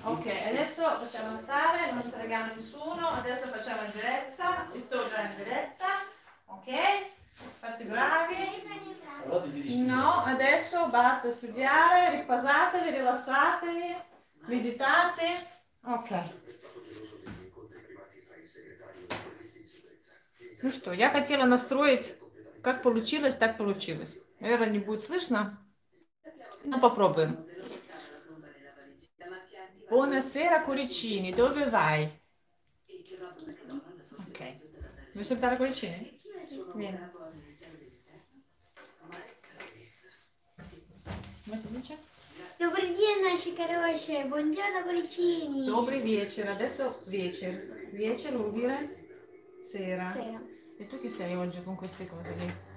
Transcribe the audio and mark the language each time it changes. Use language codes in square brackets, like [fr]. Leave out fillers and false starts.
[it] Ok, adesso lasciamo stare, non fregiamo nessuno, adesso facciamo in diretta, sto già in diretta, ok? Fate bravi. No, adesso basta studiare, riposatevi, rilassatevi, meditate. Ok. [ru] Ну что, я хотела настроить, как получилось, так получилось. Наверное, не будет слышно. Ну, попробуем. [it] Buonasera, Curicini. Dove vai? Ok. Vuoi salutare Curicini? Vieni. Come si dice? [ru] Добрый день, наши хорошие. [it] Buongiorno, Curicini. [ru] Добрый вечер. [it] Adesso вечер. Вечер, vuol dire? Sera. Sera. E tu chi sei oggi con queste cose lì?